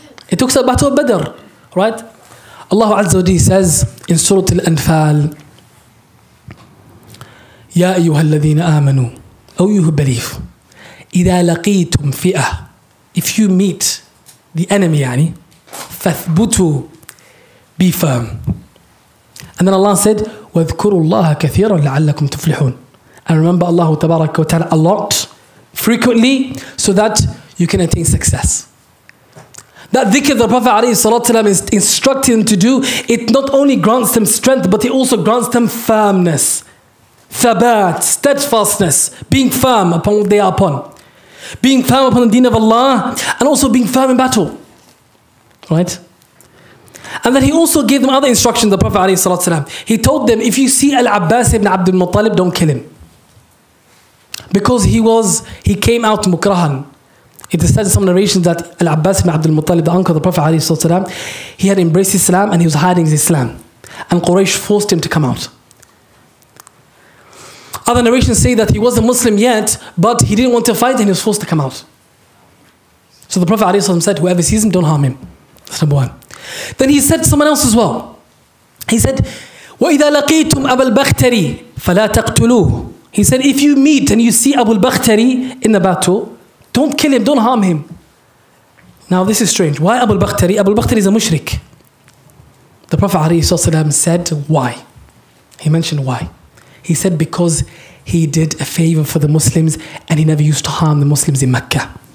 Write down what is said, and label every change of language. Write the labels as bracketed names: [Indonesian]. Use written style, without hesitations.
[English] It talks about battle of Badr, right? Allah Azza wa Jalla says in Surah Al-Anfal, [Arabic] يا أيها الذين آمنوا أو [English] you who believe [Arabic] إذا لقيتم فئة, [English] if you meet the enemy [Arabic] يعني فثبتوا, [English] be firm. And then Allah said [Arabic] واذكروا الله كثيرا لعلكم تفلحون. [English] And remember Allah تبارك وتعالى a lot, frequently, so that you can attain success. That dhikr the Prophet عليه الصلاة والسلام is instructing them to do, it not only grants them strength, but it also grants them firmness. Thabat, steadfastness, being firm upon what they are upon. Being firm upon the deen of Allah, and also being firm in battle. Right? And then he also gave them other instructions, the Prophet ﷺ. He told them, if you see Al-Abbas ibn Abd al-Muttalib, don't kill him. Because he came out mukrahan. It is said in some narrations that Al-Abbas ibn Abd al-Muttalib, the uncle of the Prophet ﷺ, he had embraced Islam and he was hiding his Islam. And Quraysh forced him to come out. Other narrations say that he wasn't Muslim yet, but he didn't want to fight and he was forced to come out. So the Prophet ﷺ said, whoever sees him, don't harm him. That's number one. Then he said to someone else as well. He said, [Arabic] وَإِذَا لَقِيتُمْ أَبَا الْبَخْتَرِي فَلَا تَقْتُلُوهُ. [English] He said, if you meet and you see Abu al-Bakhtari in the battle, don't kill him, don't harm him. Now this is strange. Why Abu al-Bakhtari? Abu al-Bakhtari is a mushrik. The Prophet ﷺ said, why? He mentioned why. He said, because he did a favor for the Muslims and he never used to harm the Muslims in Mecca.